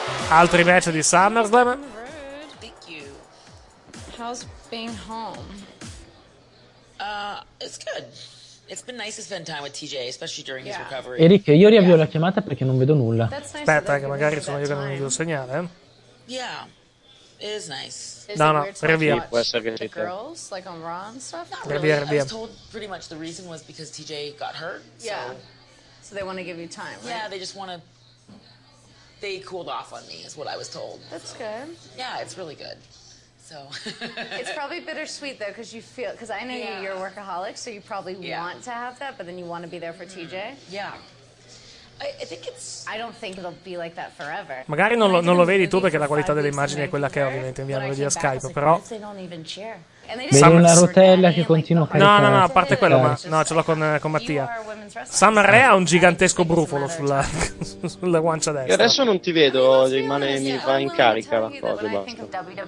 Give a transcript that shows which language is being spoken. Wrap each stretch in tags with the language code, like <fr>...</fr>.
<it>Altri match di SummerSlam.</it> <en>Thank you. How's being home? It's good. It's been nice to spend time with TJ, especially during his recovery.</en> <it>Eric, io riavvio la chiamata perché non vedo nulla.</it> <en>Nice.</en> <it>Aspetta, che magari sono io che non vedo il segnale.</it> <en>Yeah. It is nice.</en> <it>No, riavvio. Può essere che</it> <en>the girls, like on Raw and stuff?</en> <it>Riavvio.</it> <en>I was told pretty much the reason was because TJ got hurt. Yeah. So they want to give you time, right? Yeah, they just want to. They cooled off on me, is what I was told. That's so good. Yeah, it's really good. So it's probably bittersweet though, because I know you're a workaholic, so you probably want to have that, but then you want to be there for TJ. Yeah. I think it's. I don't think it'll be like that forever.</en> <it>Magari non lo vedi tu perché la qualità delle immagini è quella che è, ovviamente inviando via Skype, però. Vedi una rotella che continua a caricare. No, a parte quello, ma no, ce l'ho con Mattia. Sam Re ha un gigantesco brufolo sulla guancia destra. Io adesso non ti vedo, rimane, mi va in carica la cosa, basta.</it>